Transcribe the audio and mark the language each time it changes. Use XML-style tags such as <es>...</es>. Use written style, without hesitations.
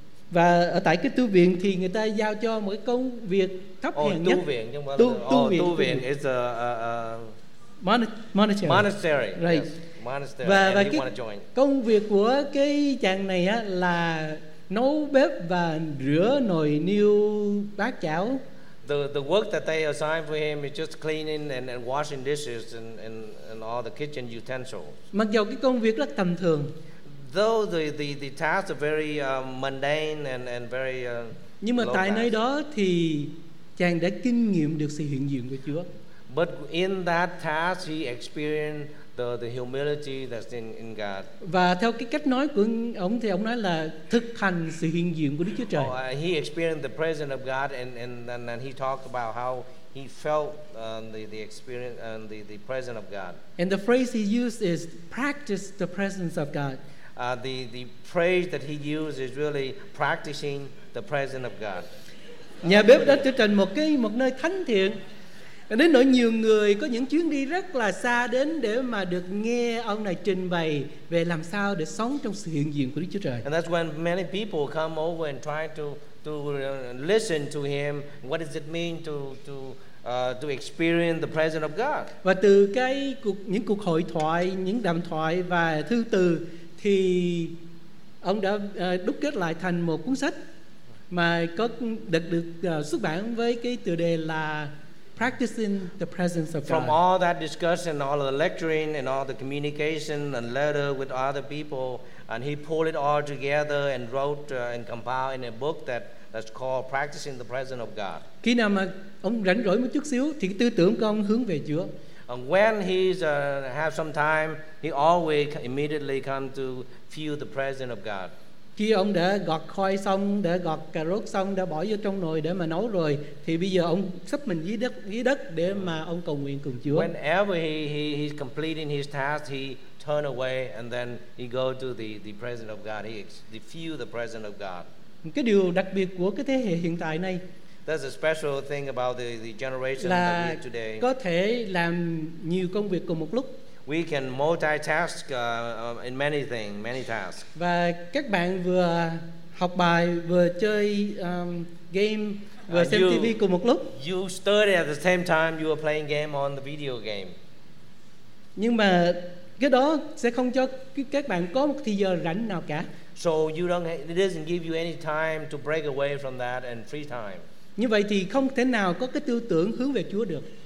<vi>Và ở tại cái tu viện thì người ta giao cho một cái công việc thấp hèn nhất.</vi> <en>Tu viện is a monastery. Right. Yes. Monastery. Và</en> <vi>cái công việc của cái chàng này á là nấu bếp và rửa nồi niêu bát chảo.</vi> <en>the work that they assigned for him is just cleaning and washing dishes and all the kitchen utensils.</en> <vi>Mặc dù cái công việc rất tầm thường.</vi> <en>Though the tasks are very mundane and very</en> <vi>Nhưng mà tại nơi đó thì chàng đã kinh nghiệm được sự hiện diện của Chúa.</vi> <en>But in that task he experienced the humility that's in God.</en> <vi>Và theo cái cách nói của ông thì ông nói là thực hành sự hiện diện của Đức Chúa Trời.</vi> <en>He experienced the presence of God and he talked about how he felt the experience and the presence of God. And the phrase he used is practice the presence of God. The phrase that he used is really practicing the presence of God.</en> <vi>Nhà bếp đã trở thành một nơi thánh thiện. Đến nỗi nhiều người có những chuyến đi rất là xa đến để mà được nghe ông này trình bày về làm sao để sống trong sự hiện diện của Đức Chúa Trời.</vi> <en>And that's when many people come over and try to listen to him. What does it mean to experience the presence of God?</en> <vi>Và từ những cuộc hội thoại, những đàm thoại và thư từ thì ông đã đúc kết lại thành một cuốn sách mà có được xuất bản với cái tựa đề là Practicing the presence of God.</vi> <en>From all that discussion, all of the lecturing and all the communication and letter with other people, and he pulled it all together and wrote and compiled in a book that's called Practicing the Presence of God.</en> <vi>Khi nào mà ông rảnh rỗi một chút xíu thì cái tư tưởng của ông hướng về Chúa.</vi> <en>And when he have some time, he always immediately come to feel the presence of God.</en> <vi>Khi ông đã gọt khoai xong, đã gọt cà rốt xong, đã bỏ vô trong nồi để mà nấu rồi, thì bây giờ ông sắp mình dưới đất để mà ông cầu nguyện cùng Chúa.</vi> <en>Whenever he's completing his task, he turn away and then he go to the presence of God. He feel the presence of God.</en> <vi>Cái điều đặc biệt của cái thế hệ hiện tại này.</vi> <en>There's a special thing about the generation that we have today.</en> <vi>Có thể làm nhiều công việc cùng một lúc.</vi> <en>We can multitask in many things, many tasks.</en> <vi>Và các bạn vừa học bài, vừa chơi game, vừa xem TV cùng một lúc.</vi> <en>You study at the same time you are playing game on the video game.</en> <vi>Nhưng mà cái đó sẽ không cho các bạn có một thời giờ rảnh nào cả.</vi> <en>So you don't, it doesn't give you any time to break away from that and free time.</en> <vi>Như vậy thì không thể nào có cái tư tưởng hướng về Chúa được.</vi>